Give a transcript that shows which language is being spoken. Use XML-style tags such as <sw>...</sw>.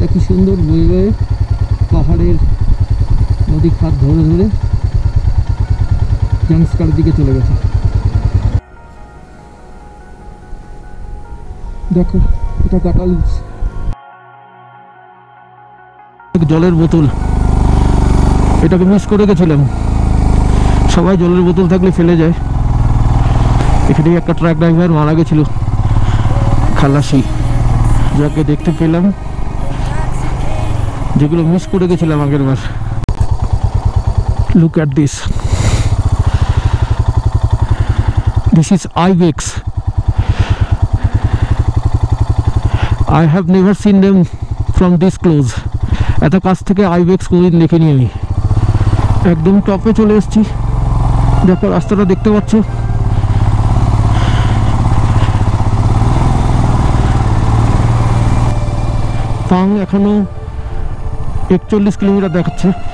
<en>Like the sun. This is a beautiful view of the mountains.</en> <bn>জলের বোতল এটাকে miss করে গেছিলাম, সবাই জলের বোতল থাকলে ফেলে যায়। এখানে একটা ট্রাক ড্রাইভার মারা গেছিল খালাসি, যাকে দেখতে পেলাম, যেগুলো মিস করে গেছিলাম আগের বার। Look at this,</bn> <en>this is ibex. I have never seen them from this close.</en> <bn>এত কাছ থেকে ibex কোনদিন দেখিনি আমি। একদম টপে চলে এসেছি, দেখো রাস্তাটা দেখতে পাচ্ছ, পাং এখনো 41 কিলোমিটার দেখাচ্ছে।</bn>